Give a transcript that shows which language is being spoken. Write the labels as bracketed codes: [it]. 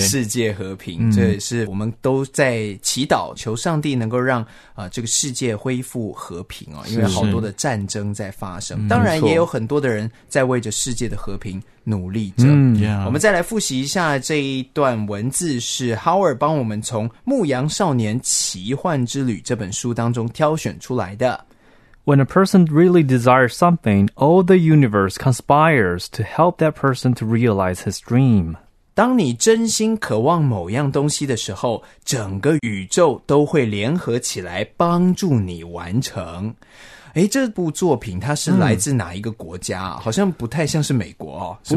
[zh] 世界和平，这也是我们都在祈祷，求上帝能够让这个世界恢复和平啊、哦，因为好多的战争在发生，是是，当然也有很多的人在为着世界的和平努力着。我们再来复习一下这一段文字，是 Howard 帮我们从《牧羊少年奇幻之旅》这本书当中挑选出来的。 [en] When a person really desires something, all the universe conspires to help that person to realize his dream. [zh] 当你真心渴望某样东西的时候，整个宇宙都会联合起来帮助你完成。诶，这部作品它是来自哪一个国家啊？好像不太像是美国哦，是